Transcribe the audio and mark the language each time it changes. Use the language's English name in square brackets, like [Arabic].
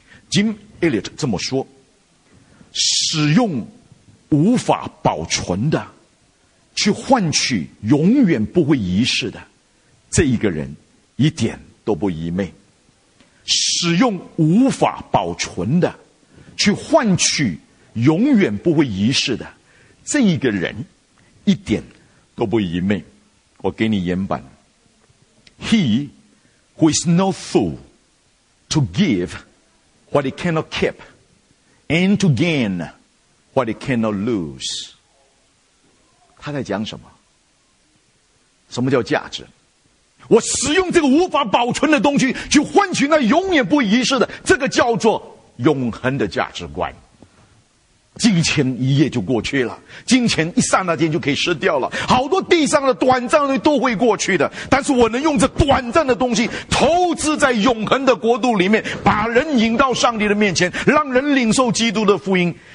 [Chinese] Jim Elliot 这么说，使用无法保存的去换取永远不会遗失的，这一个人一点都不愚昧。使用无法保存的去换取永远不会遗失的，这一个人一点都不愚昧。我给你原版， [English] He who is no fool to give what he cannot keep and to gain what he cannot lose。 [Chinese] 他在讲什么？什么叫价值？我使用这个无法保存的东西去换取那永远不遗失的，这个叫做永恒的价值观。金钱一夜就过去了，金钱一刹那间就可以失掉了，好多地上的短暂的都会过去的，但是我能用这短暂的东西投资在永恒的国度里面，把人引到上帝的面前，让人领受基督的福音。